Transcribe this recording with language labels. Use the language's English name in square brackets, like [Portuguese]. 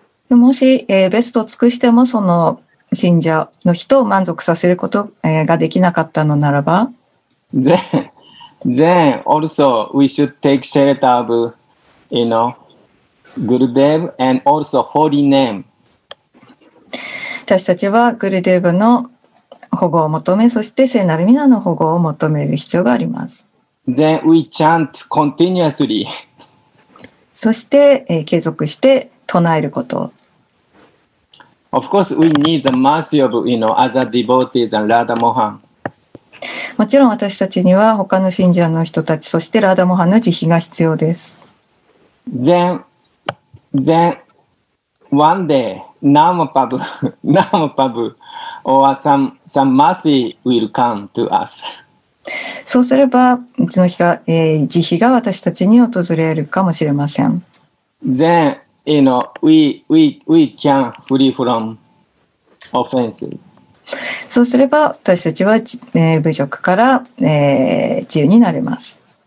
[Japanese] もし、ベストを尽くしてもその信者の人を満足させること、ができなかったのならば、 [English] then, then also we should take shelter of, you know, Gurudev and also holy name. [Japanese] 私たちはグルデーブの保護を求め、そして聖なる皆の保護を求める必要があります。 [English] Then we chant continuously. [Japanese] そして、継続して唱えること。 [English] Of course, we need the mercy of, you know, other devotees and Radha Mohan. [Japanese] もちろん私たちには他の信者の人たち、そしてラダモハンの慈悲が必要です。 [English] Then one day,Namapabu, or some mercy will come to us. [Japanese] そうすれば、いつの日か、慈悲が私たちに訪れるかもしれません。 [English] Then, you know, we can free from offenses. [Japanese] そうすれば、私たちは、侮辱から、自由になれます。